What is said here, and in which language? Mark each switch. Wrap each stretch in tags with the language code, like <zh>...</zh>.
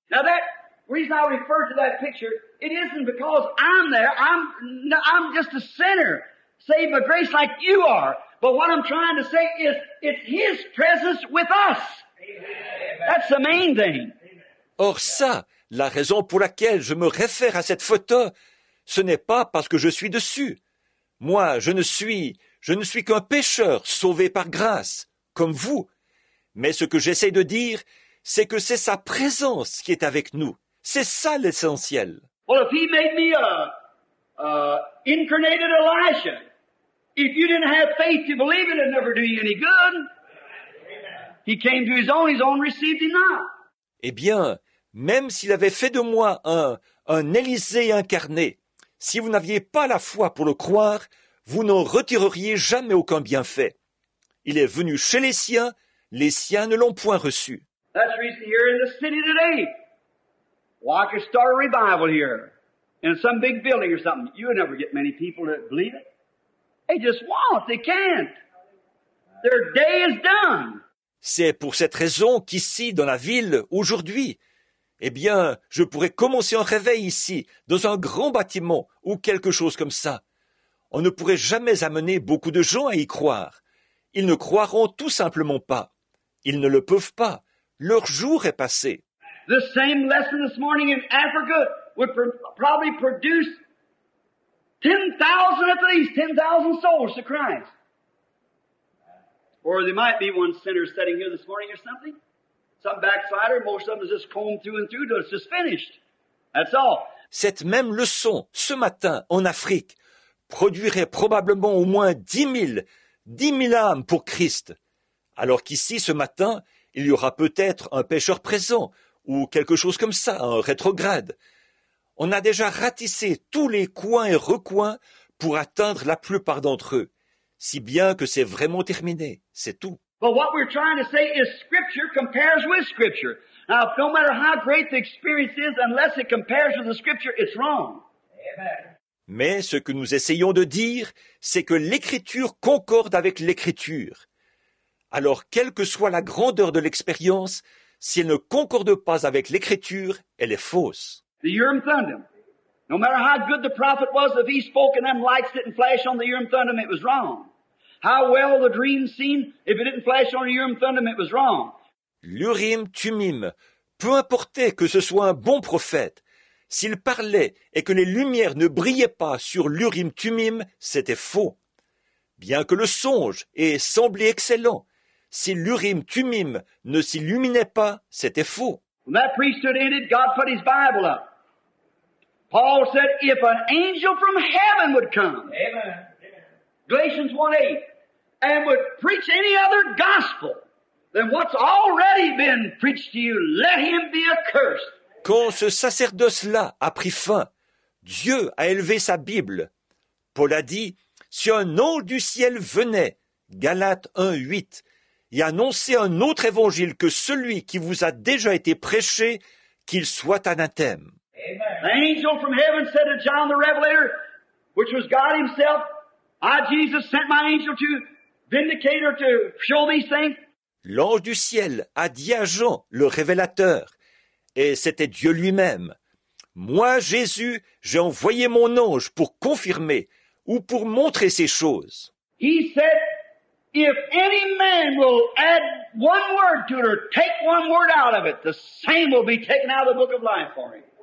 <en>Now that The reason I refer to that picture, it isn't because I'm there. I'm just a sinner saved by grace like you are. But what I'm trying to say is it's His presence with us. Amen. That's the main thing.</en> <fr>Or ça, la raison pour laquelle je me réfère à cette photo, ce n'est pas parce que je suis dessus. Moi, je ne suis qu'un pécheur sauvé par grâce, comme vous. Mais ce que j'essaie de dire, c'est que c'est sa présence qui est avec nous. C'est ça l'essentiel.</fr> <en>Well, if he made me an incarnated Elisha, if you didn't have faith to believe it, it'd never do you any good. He came to his own received him not.</en> <fr>Eh bien, même s'il avait fait de moi un Élisée incarné, si vous n'aviez pas la foi pour le croire, vous n'en retireriez jamais aucun bienfait. Il est venu chez les siens ne l'ont point reçu.</fr> <en>That's the reason here in the city today. Why could start a revival here in some big building or something? You would never get many people to believe it. They just won't. They can't. Their day is done.</en> <fr>C'est pour cette raison qu'ici, dans la ville, aujourd'hui, eh bien, je pourrais commencer un réveil ici, dans un grand bâtiment ou quelque chose comme ça. On ne pourrait jamais amener beaucoup de gens à y croire. Ils ne croiront tout simplement pas. Ils ne le peuvent pas. Leur jour est passé.</fr> <en>The same lesson this morning in Africa would probably produce 10,000 at least, 10,000 souls to Christ. Or there might be one sinner sitting here this morning or something. Some backslider, most of them is just combed through and through, it's just finished. That's all.</en> <fr>Cette même leçon, ce matin, en Afrique, produirait probablement au moins 10 000 âmes pour Christ. Alors qu'ici, ce matin, il y aura peut-être un pécheur présent, ou quelque chose comme ça, un rétrograde. On a déjà ratissé tous les coins et recoins pour atteindre la plupart d'entre eux. Si bien que c'est vraiment terminé, c'est tout.</fr> <en>But what we're trying to say is Scripture compares with Scripture. Now, no matter how great the experience is, unless it compares with the Scripture, it's wrong. Amen.</en> <fr>Mais ce que nous essayons de dire, c'est que l'Écriture concorde avec l'Écriture. Alors, quelle que soit la grandeur de l'expérience, si elle ne concorde pas avec l'Écriture, elle est fausse.</fr> <en>The Urim Thummim. No matter how good the prophet was, if he spoke and them lights didn't flash on the Urim Thummim, it was wrong. How well the dream seen, if it didn't flash on the Urim Thummim, it was wrong.</en> <fr>L'Urim Thummim. Peu importait que ce soit un bon prophète. S'il parlait et que les lumières ne brillaient pas sur l'Urim Thummim, c'était faux. Bien que le songe ait semblé excellent, si l'Urim Thummim ne s'illuminait pas, c'était faux.</fr> <en>When that priesthood ended, God put his Bible up. Paul said, if an angel from heaven would come, Amen. Galatians 1:8, and would preach any other gospel than what's already been preached to you, let him be accursed.</en> <fr>Quand ce sacerdoce-là a pris fin, Dieu a élevé sa Bible. Paul a dit, si un ange du ciel venait, Galates 1:8, et annonçait un autre évangile que celui qui vous a déjà été prêché, qu'il soit anathème. Amen.</fr> <en>The angel from heaven said to John the Revelator, which was God himself, I, Jesus, sent my angel to vindicate or to show these things.</en> <fr>L'ange du ciel a dit à Jean, le révélateur, et c'était Dieu lui-même. Moi, Jésus, j'ai envoyé mon ange pour confirmer ou pour montrer ces choses.</fr> <en>He said, if any man will add one word to it or take one word out of it, the same will be taken out of the book of life for him.</en>